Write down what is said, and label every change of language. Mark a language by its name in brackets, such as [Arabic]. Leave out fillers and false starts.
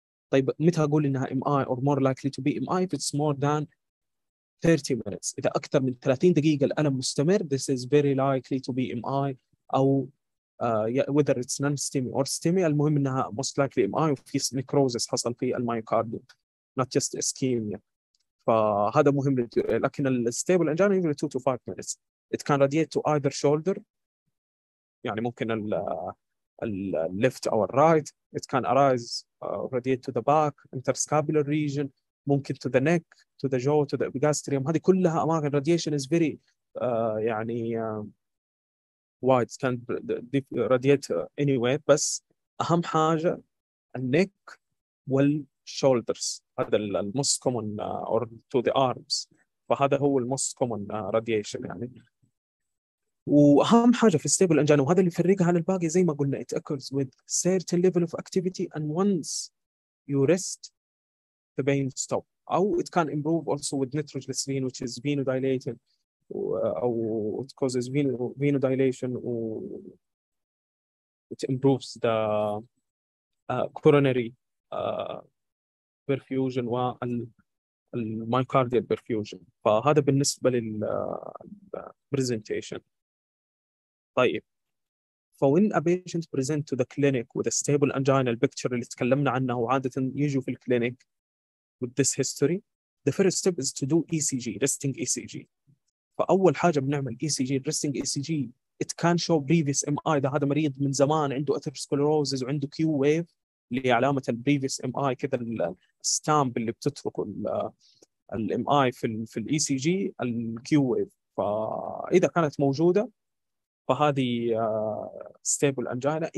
[Arabic] طيب متى أقول إنها [English] MI or more likely to be MI if it's more than 30 minutes. [Arabic] إذا أكثر من 30 دقيقة الألم مستمر [English] this is very likely to be MI أو whether it's non-stemi or stemi. [Arabic] المهم إنها most likely MI وفي necrosis حصل في الميوكارديوم [English] not just ischemia. [Arabic] فهذا مهم لكن الستيبل انجينا [English] usually 2 to 5 minutes. It can radiate to either shoulder [Arabic] يعني ممكن الليفت أو الرايت. [English] It can arise radiate to the back interscapular region [Arabic] ممكن [English] to the neck to the jaw to the epigastrium. [Arabic] هذه كلها أماكن [English] radiation is very [Arabic] يعني [English] wide. It can radiate anywhere بس أهم حاجة النك والشولدرز هذا الموست common or to the arms. [Arabic] فهذا هو الموست كومن radiation يعني. وأهم حاجة في stable angina وهذا اللي يفرقها عن الباقي زي ما قلنا [English] it occurs with certain level of activity and once you rest the pain stop أو it can improve also with nitroglycerin which is venodilating أو it causes venodilation و it improves the coronary perfusion [Arabic] وال [English] myocardial perfusion. [Arabic] فهذا بالنسبة لل presentation. [English] طيب فوين a patient present to the clinic with a stable angina picture [Arabic] اللي تكلمنا عنه وعادة يجوا في الكلينيك [English] with this history the first step is to do ECG resting ECG. [Arabic] فأول حاجة بنعمل [English] ECG resting ECG it can show previous MI. [Arabic] إذا هذا مريض من زمان عنده atherosclerosis وعنده Q wave اللي علامة ال [English] previous MI [Arabic] كذا ال stamp اللي بتتركه ال MI في ال ECG ال Q wave. فإذا كانت موجودة فهذه stable angina.